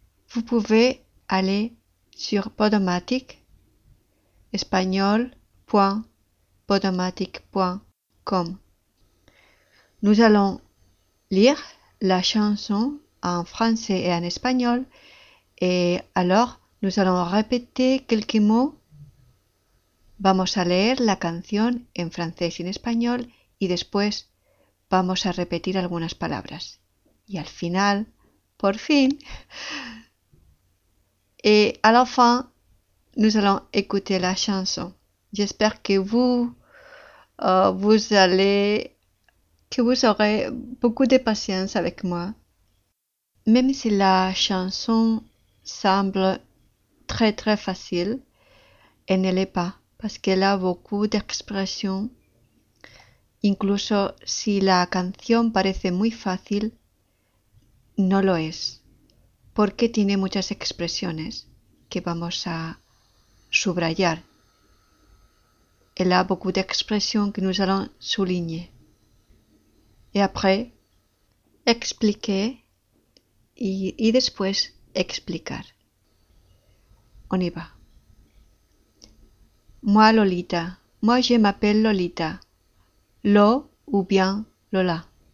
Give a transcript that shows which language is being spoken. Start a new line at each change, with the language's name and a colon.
French: Vous pouvez aller sur Podomatic, espagnol.podomatic.com. Nous allons lire la chanson en français et en espagnol, et alors nous allons répéter quelques mots.
Spanish: Vamos a leer la canción en francés y en español y después vamos a repetir algunas palabras. Y al final, por fin,
French: et à la fin, nous allons écouter la chanson. J'espère que vous aurez beaucoup de patience avec moi. Même si la chanson semble très très facile, elle ne l'est pas, parce qu'elle a beaucoup d'expressions.
Spanish: Incluso si la canción parece muy fácil, no lo es, porque tiene muchas expresiones que vamos a subrayar.
French: Elle a beaucoup d'expressions que nous allons souligner. Et après, expliquer.
Spanish: Y después explicar.
French: On y va. Moi, Lolita. Moi, je m'appelle Lolita. Lo ou bien Lola.